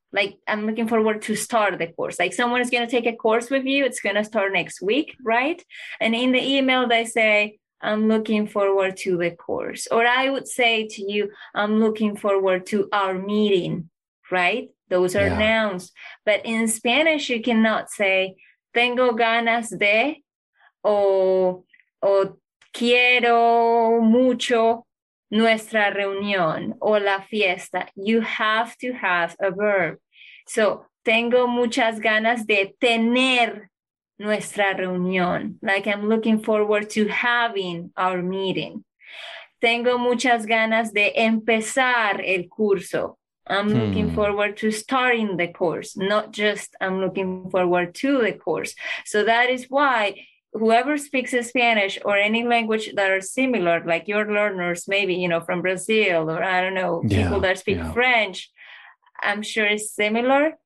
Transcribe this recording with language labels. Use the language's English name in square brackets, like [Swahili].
[English] Like, I'm looking forward to start the course. Like, someone is going to take a course with you. It's going to start next week, right? And in the email, they say, I'm looking forward to the course. Or I would say to you, I'm looking forward to our meeting, right? Those are nouns. But in Spanish, you cannot say, [Spanish] tengo ganas de, o quiero mucho nuestra reunión, o la fiesta. [English] You have to have a verb. So, [Spanish] tengo muchas ganas de tener nuestra reunión. [English] Like, I'm looking forward to having our meeting. [Spanish] Tengo muchas ganas de empezar el curso. [English] I'm looking forward to starting the course, not just I'm looking forward to the course. So that is why whoever speaks Spanish or any language that are similar, like your learners, maybe, you know, from Brazil or I don't know, people that speak French, I'm sure it's similar.